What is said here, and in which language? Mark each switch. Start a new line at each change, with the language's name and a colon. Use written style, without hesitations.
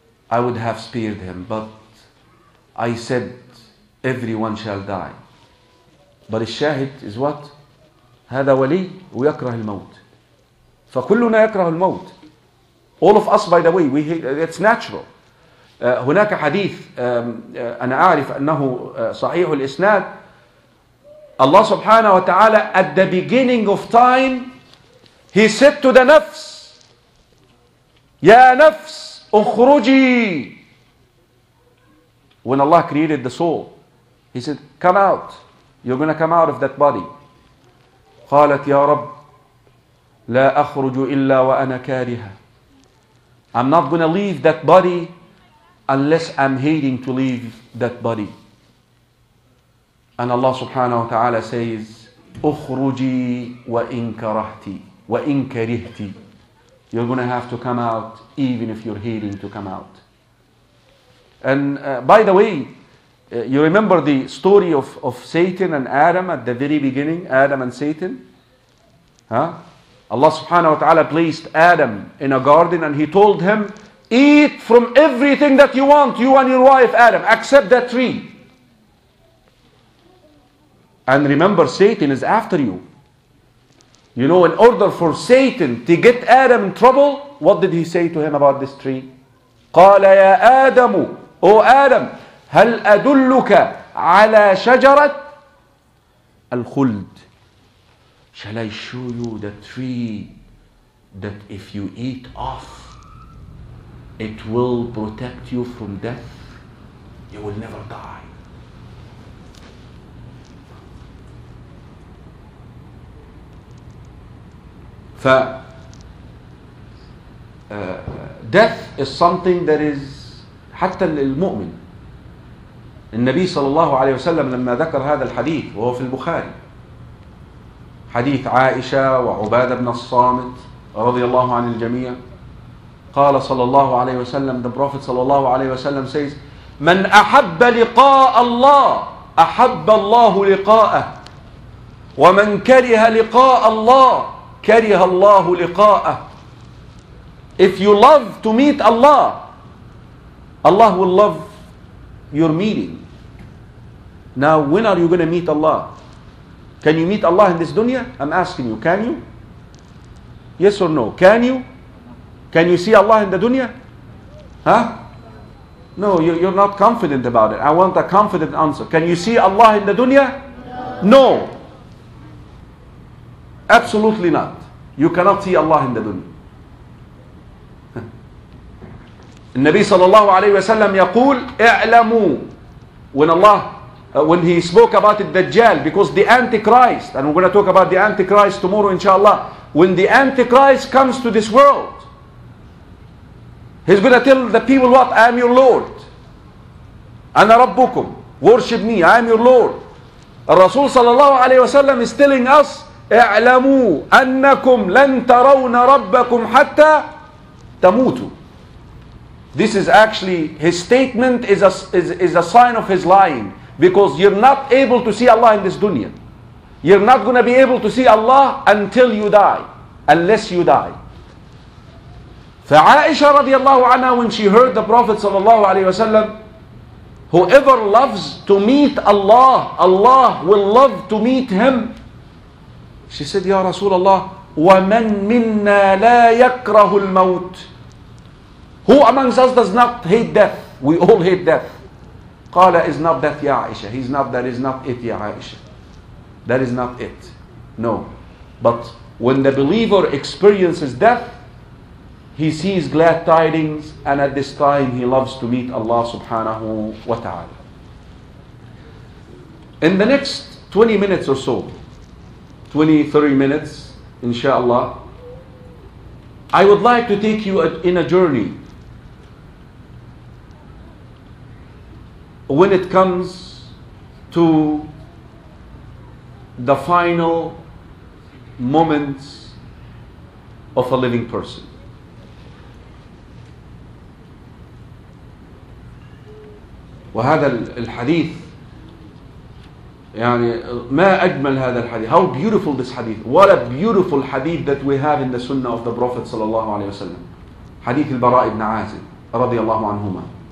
English: I would have spared him, but I said everyone shall die. But
Arabic: الشاهد
English: is what?
Arabic: هذا ولي ويكره الموت. فكلنا يكره الموت.
English: All of us, by the way, it's natural.
Arabic: هناك حديث أنا أعرف أنه صحيح الإسناد. الله سبحانه وتعالى
English: at the beginning of time he said to the
Arabic: نفس يا نفس أخرجي.
English: When Allah created the soul he said come out, you're gonna come out of that body.
Arabic: قالت يا رب لا أخرج إلا وأنا كارهة.
English: I'm not gonna leave that body unless I'm hating to leave that body. And Allah subhanahu wa ta'ala says,
Arabic: أخرجي وإن كرهتي وإن كرهتي.
English: You're going to have to come out even if you're hating to come out. And by the way, you remember the story of Satan and Adam at the very beginning, Adam and Satan? Huh? Allah subhanahu wa ta'ala placed Adam in a garden and he told him, eat from everything that you want, you and your wife Adam, except that tree. And remember, Satan is after you. You know, in order for Satan to get Adam in trouble, what did he say to him about this tree?
Arabic: قال يا آدم,
English: O Adam,
Arabic: هل أدلك على شجرة الخلد.
English: Shall I show you the tree that if you eat off, it will protect you from death. You will never die. Death is something that is
Arabic: حتى للمؤمن. النبي صلى الله عليه وسلم لما ذكر هذا الحديث وهو في البخاري، حديث عائشة وعبادة بن الصامت رضي الله عن الجميع، قال صلى الله عليه وسلم،
English: the prophet
Arabic: صلى الله عليه وسلم
English: says،
Arabic: من أحب لقاء الله أحب الله لقاءه، ومن كره لقاء الله كره الله لقاءه.
English: If you love to meet Allah, Allah will love your meeting. Now, when are you going to meet Allah? Can you meet Allah in this dunya? I'm asking you, can you? Yes or no? Can you? Can you see Allah in the dunya? Huh? No, you're not confident about it. I want a confident answer. Can you see Allah in the dunya? No. No. Absolutely not. You cannot see Allah in the dunya.
Arabic: النبي صلى الله عليه وسلم يقول اعلموا،
English: when Allah when he spoke about the Dajjal, because the Antichrist, and we're going to talk about the Antichrist tomorrow inshallah, when the Antichrist comes to this world, he's going to tell the people, what, I am your Lord,
Arabic: أنا ربكم,
English: worship me, I am your Lord.
Arabic: الرسول صلى الله عليه وسلم
English: is telling us
Arabic: اعلموا أنكم لن ترون ربكم حتى تموتوا.
English: This is actually, his statement is a sign of his lying. Because you're not able to see Allah in this dunya. You're not going to be able to see Allah until you die. Unless you die.
Arabic: فعائشة رضي الله عنها,
English: when she heard the Prophet صلى الله عليه وسلم, whoever loves to meet Allah, Allah will love to meet him. She said,
Arabic: Ya رسول الله, ومن منا لا يكره الموت.
English: Who amongst us does not hate death? We all hate death.
Arabic: قال
English: is not death
Arabic: يا عائشة.
English: He's not, that is not it
Arabic: يا عائشة.
English: That is not it. No. But when the believer experiences death, he sees glad tidings, and at this time he loves to meet Allah subhanahu wa ta'ala. In the next 20 minutes or so, 20-30 minutes, inshallah, I would like to take you in a journey when it comes to the final moments of a living person.
Arabic: وهذا الحديث يعني ما أجمل هذا الحديث.
English: How beautiful this hadith. What a beautiful hadith that we have in the sunnah of the Prophet صلى الله عليه وسلم.
Arabic: حديث البراء بن عازب رضي الله عنهما.